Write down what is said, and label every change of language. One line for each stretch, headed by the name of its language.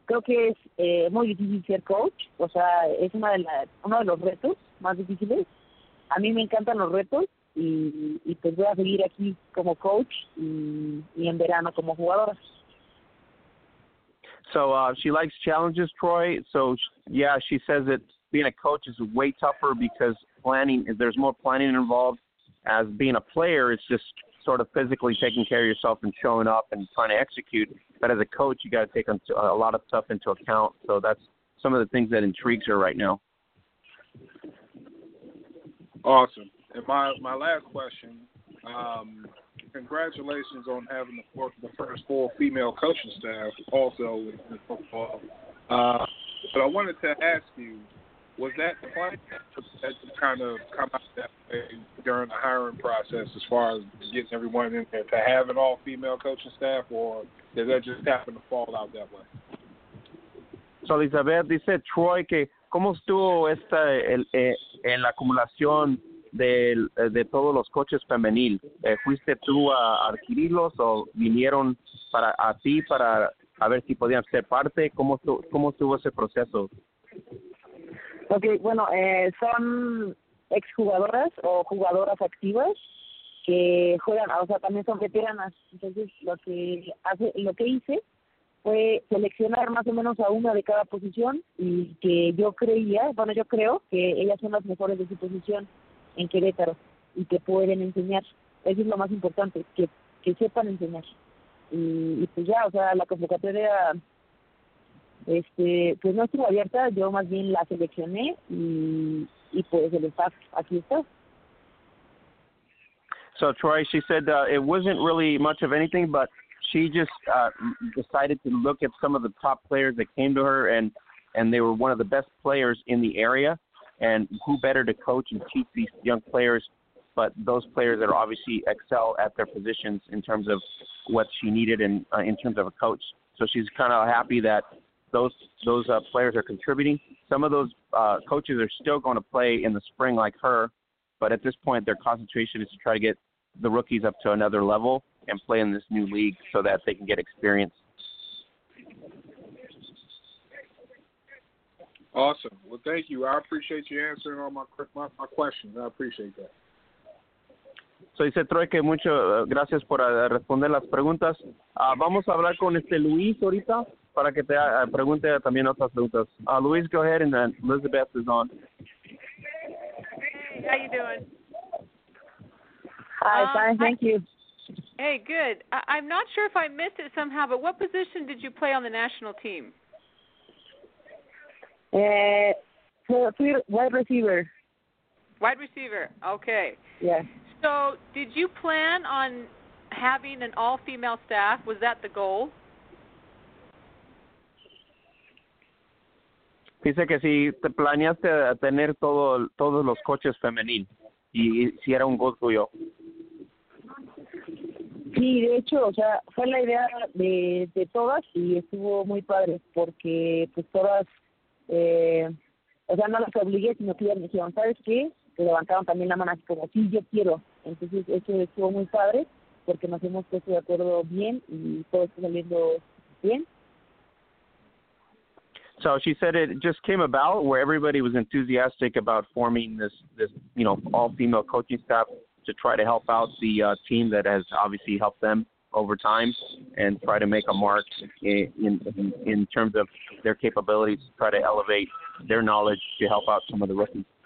Spanish: Creo que es muy difícil ser coach, o sea, es uno de los retos más difíciles. A mí me encantan los retos y pues voy a seguir aquí como coach y en verano como jugadora.
English: So she likes challenges, Troy. So yeah, she says it's being a coach is way tougher because planning, there's more planning involved. As being a player, it's just sort of physically taking care of yourself and showing up and trying to execute. But as a coach, you got to take a lot of stuff into account. So that's some of the things that intrigues her right now. Awesome. And my last question, congratulations on having the first full female coaching staff also in football. But I wanted to ask you, was that the plan to kind of come out that way during the hiring process as far as getting everyone in there to have an all-female coaching staff, or did that just happen to fall out that way?
Spanish: So, Elizabeth, dice Troy que, ¿cómo estuvo esta en la acumulación de todos los coches femenil? ¿Fuiste tú a adquirirlos o vinieron para a ti para a ver si podían ser parte? ¿Cómo estuvo ese proceso? Ok, bueno, son exjugadoras o jugadoras activas que juegan, o sea, también son veteranas. Entonces, lo que hice fue seleccionar más o menos a una de cada posición y que yo creía, bueno, yo creo que ellas son las mejores de su posición en Querétaro y que pueden enseñar. Eso es lo más importante, que sepan enseñar. Y pues ya, o sea, la convocatoria, pues no estuvo abierta, yo más bien la seleccioné y pues el staff aquí está.
English: So Troy, she said it wasn't really much of anything, but she just decided to look at some of the top players that came to her, and they were one of the best players in the area. And who better to coach and teach these young players but those players that are obviously excel at their positions in terms of what she needed in terms of a coach. So she's kind of happy that those players are contributing. Some of those coaches are still going to play in the spring like her, but at this point their concentration is to try to get the rookies up to another level and play in this new league so that they can get experience. Awesome. Well, thank you. I appreciate you answering all my questions. I appreciate that.
Spanish: So dice Troy que mucho gracias por responder las preguntas. Vamos a hablar con Luis ahorita para que te pregunte también otras preguntas.
English: Luis, go ahead, and then Elizabeth is on. Hey, how you doing? Hi, fine, thank you. Hey, good. I'm not sure if I missed it somehow, but what position did you play on the national team? Wide receiver. Wide receiver, okay. Yes. So did you plan on having an all-female staff? Was that the goal?
Spanish: Dice que si te planeaste tener todos los coches femenil y si era un gol tuyo. Sí, de hecho, o sea, fue la idea de todas y estuvo muy padre porque pues todas, o sea, no las obligué, sino que ya me dijeron, ¿sabes qué? Que levantaron también la mano así como, sí, yo quiero. Entonces, eso estuvo muy padre porque nos hemos puesto de acuerdo bien y todo está saliendo bien.
English: So she said it just came about where everybody was enthusiastic about forming this you know, all-female coaching staff to try to help out the team that has obviously helped them over time and try to make a mark in terms of their capabilities to try to elevate their knowledge to help out some of the rookies.